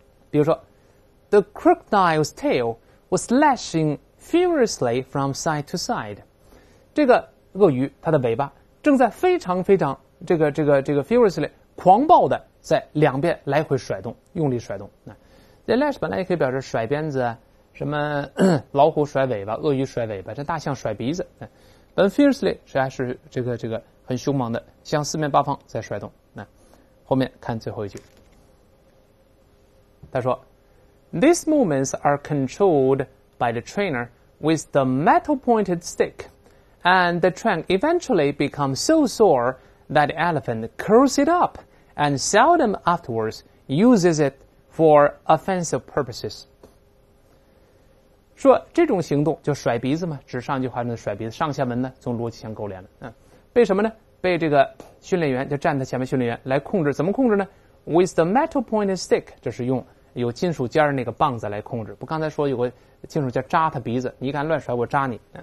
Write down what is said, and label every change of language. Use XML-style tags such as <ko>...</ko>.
<zh>比如说 The crocodile's tail was lashing furiously from side to side，这个鳄鱼它的尾巴正在非常非常这个 furiously 狂暴的在两边来回甩动，用力甩动。这 lash 本来也可以表示甩鞭子，什么老虎甩尾巴，鳄鱼甩尾巴，这大象甩鼻子，本 fiercely 实际上是这个很凶猛的，向四面八方在甩动。</zh> <en>后面看最后一句，他说 These movements are controlled by the trainer with the metal pointed stick and the trunk eventually becomes so sore that the elephant curls it up and seldom afterwards uses it for offensive purposes。</en> <zh>说这种行动就甩鼻子嘛，指上句话中的甩鼻子，上下文呢从逻辑相勾连了。被什么呢？被这个训练员，就站在前面训练员来控制，怎么控制呢？ With the metal pointed stick，这是用有金属尖那个棒子来控制。不刚才说有个金属尖扎他鼻子，你敢乱甩我扎你。</zh>